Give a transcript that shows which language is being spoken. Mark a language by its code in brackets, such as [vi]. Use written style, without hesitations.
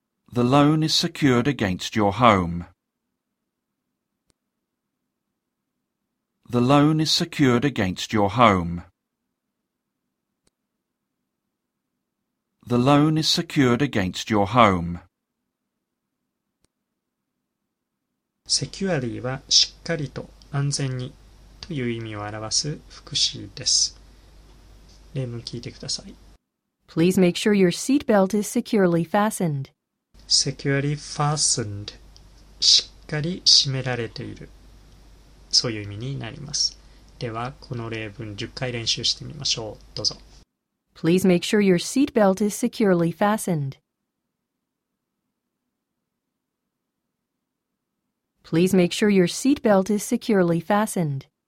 [en] The loan is secured against your home. The loan is secured against your home. The loan is secured against your home. [ja] Securely はしっかりと安全にという意味を表す副詞です。例文聞いてください。 [en] Please make sure your seat belt is securely fastened. Securely fastened. [ja] しっかり締められている。そういう意味になります。では、この例文10回練習してみましょう。どうぞ。 [en] Please make sure your seatbelt is securely fastened. Please make sure your seatbelt is securely fastened.